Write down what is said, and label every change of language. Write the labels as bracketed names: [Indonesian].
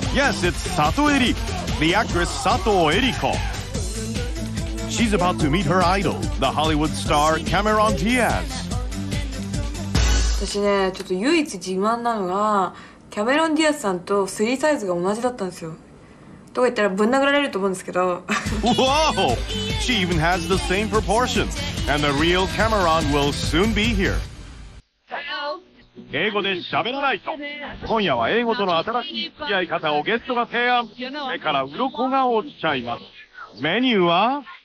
[English] Yes, it's Sato Eri, the actress Sato Eriko. She's about to meet her idol, the Hollywood star Cameron Diaz. [Japanese] 私ね、ちょっと唯一自慢なのが、キャメロン・ディアスさんとスリーサイズが同じだったんですよ。とか言ったらぶん殴られると思うんですけど。 [English] Whoa! She even has the same proportions. And the real Cameron will soon be here. [Japanese] 英語で喋らないと。今夜は英語との新しい付き合い方をゲストが提案。目から鱗が落ちちゃいます。メニューは？